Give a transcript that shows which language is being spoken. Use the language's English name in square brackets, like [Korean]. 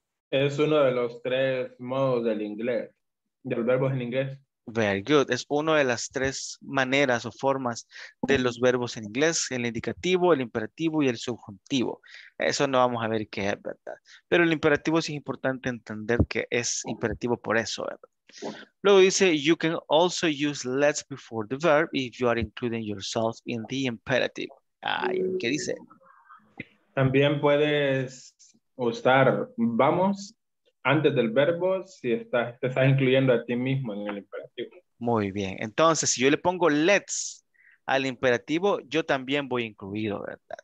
[Spanish] Es uno de los tres modos del inglés, del verbo en inglés. [English] Very good. [Spanish] Es una de las tres maneras o formas de los verbos en inglés. El indicativo, el imperativo y el subjuntivo. Eso no vamos a ver qué es, ¿verdad? Pero el imperativo sí es importante entender que es imperativo por eso, ¿verdad? Luego dice, [English] you can also use let before the verb if you are including yourself in the imperative. [Spanish] Ay, ¿qué dice? También puedes usar vamos antes del verbo, si te estás incluyendo a ti mismo en el imperativo. Muy bien. Entonces, si yo le pongo let's al imperativo, yo también voy incluido, ¿verdad?